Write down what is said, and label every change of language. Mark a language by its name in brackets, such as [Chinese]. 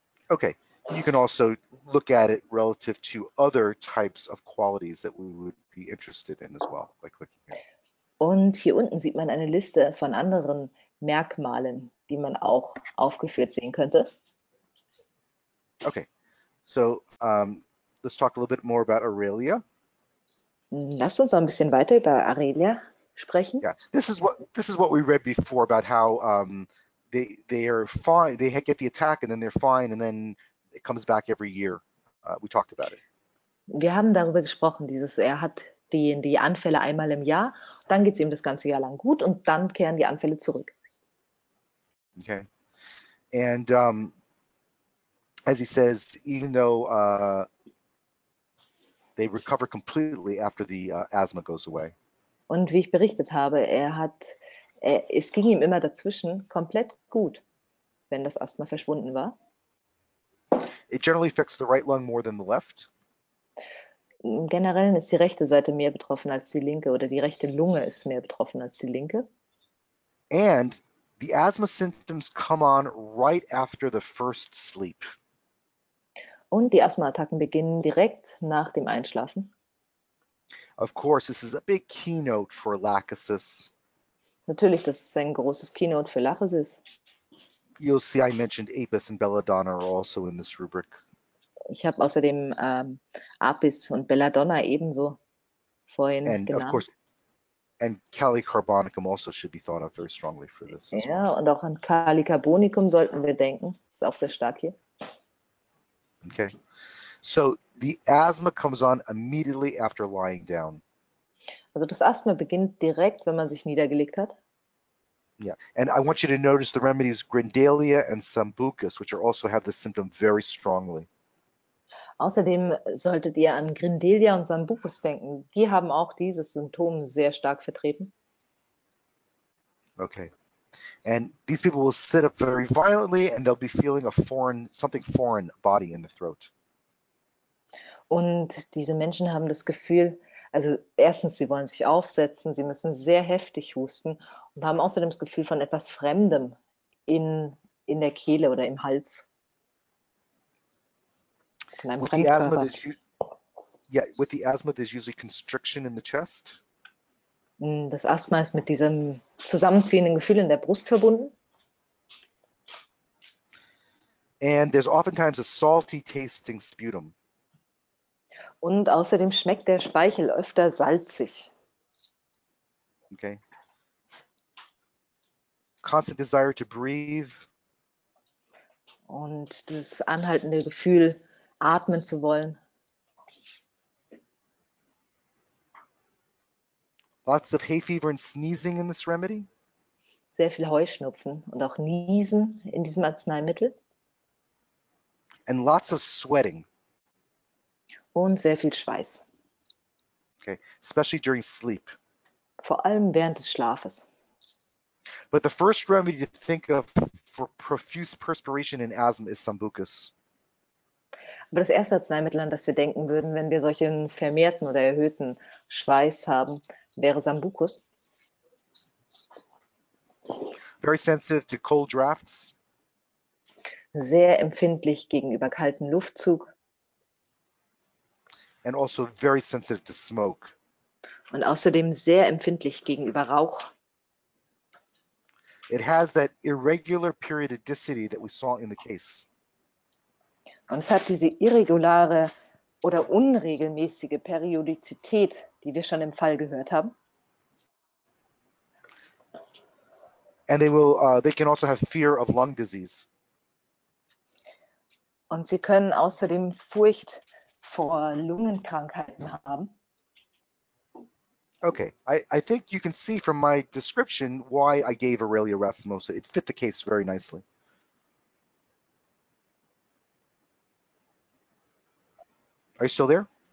[English] Okay. You can also look at it relative to other types of qualities that we would be interested in as well by clicking here. [German] Und hier unten sieht man eine Liste von anderen Merkmalen, die man auch aufgeführt sehen könnte. [English] Okay, so let's talk a little bit more about Aurelia. [German] Lass uns noch ein bisschen weiter über Aurelia sprechen. [English] Yeah, this is what we read before about how they are fine, they get the attack and then they're fine and then it comes back every year. We talked about it. [German] Wir haben darüber gesprochen, dieses er hat die Anfälle einmal im Jahr, dann geht es ihm das ganze Jahr lang gut und dann kehren die Anfälle zurück. [English] Okay, and as he says, even though they recover completely after the asthma goes away. [German] Und wie ich berichtet habe, es ging ihm immer dazwischen komplett gut, wenn das Asthma verschwunden war. [English] It generally affects the right lung more than the left. [German] Im Generellen ist die rechte Seite mehr betroffen als die linke oder die rechte Lunge ist mehr betroffen als die linke. [English] And the asthma symptoms come on right after the first sleep. [German] Und die Asthma-Attacken beginnen direkt nach dem Einschlafen. [English] Of course, this is a big keynote for Lachesis. [German] Natürlich, das ist ein großes Keynote für Lachesis. [English] You'll see I mentioned Apis and Belladonna are also in this rubric. [German] Ich habe außerdem Apis und Belladonna ebenso vorhin [English] And of [German] genannt. [English] course, and Calicarbonicum also should be thought of very strongly for this as well. [German] Ja, und auch an Kalicarbonikum sollten wir denken. Das ist auch sehr stark hier. [English] Okay. So the asthma comes on immediately after lying down. [German] Also das Asthma beginnt direkt, wenn man sich niedergelegt hat. [English] Yeah, and I want you to notice the remedies Grindalia and Sambucus, which are also have this symptom very strongly. [German] Außerdem solltet ihr an Grindelia und Sambucus denken. Die haben auch dieses Symptom sehr stark vertreten. [English] Okay, and these people will sit up very violently and they'll be feeling a foreign, something foreign body in the throat. [German] Und diese Menschen haben das Gefühl, also erstens, sie wollen sich aufsetzen, sie müssen sehr heftig husten und haben außerdem das Gefühl von etwas Fremdem in der Kehle oder im Hals. Von einem [English] With the asthma, [German] Fremdkörper. [English] there's yeah. With the asthma, there's usually constriction in the chest. [German] Das Asthma ist mit diesem zusammenziehenden Gefühl in der Brust verbunden. [English] And there's oftentimes a salty tasting sputum. [German] Und außerdem schmeckt der Speichel öfter salzig. [English] Okay. Constant desire to breathe. [German] Und dieses anhaltende Gefühl, atmen zu wollen. [English] Lots of hay fever and sneezing in this remedy. [German] Sehr viel Heuschnupfen und auch Niesen in diesem Arzneimittel. [English] And lots of sweating. [German] Und sehr viel Schweiß. [English] Okay, especially during sleep. [German] Vor allem während des Schlafes. [English] But the first remedy to think of for profuse perspiration in asthma is Sambucus. [German] Aber das erste Arzneimittel, an das wir denken würden, wenn wir solchen vermehrten oder erhöhten Schweiß haben, wäre Sambucus. [English] Very sensitive to cold drafts. [German] Sehr empfindlich gegenüber kalten Luftzug. [English] And also very sensitive to smoke. [German] Und außerdem sehr empfindlich gegenüber Rauch. [English] It has that irregular periodicity that we saw in the case. [German] Und es hat diese irregulare oder unregelmäßige Periodizität, die wir schon im Fall gehört haben. [English] And they can also have fear of lung disease. [German] Und sie können außerdem Furcht vor Lungenkrankheiten haben. [English] Okay, I think you can see from my description why I gave Aurelia racemosa. It fit the case very nicely. Are you still there?